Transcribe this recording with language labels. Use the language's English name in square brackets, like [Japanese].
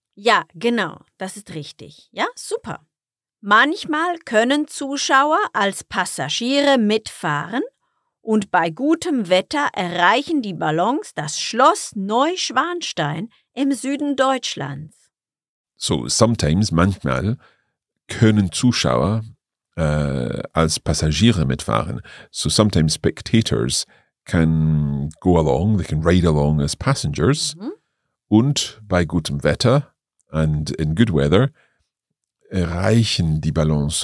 [German] Ja, genau, das ist richtig. Ja, super. Manchmal können Zuschauer als Passagiere mitfahren und bei gutem Wetter erreichen die Ballons das Schloss Neuschwanstein im Süden Deutschlands. [English] So, sometimes, [German] manchmal, können Zuschauer als Passagiere mitfahren. [English] So, sometimes spectators can go along, they can ride along as passengers. Mhm. [German] Und bei gutem Wetter [English] and in good weather [German] erreichen die Ballons.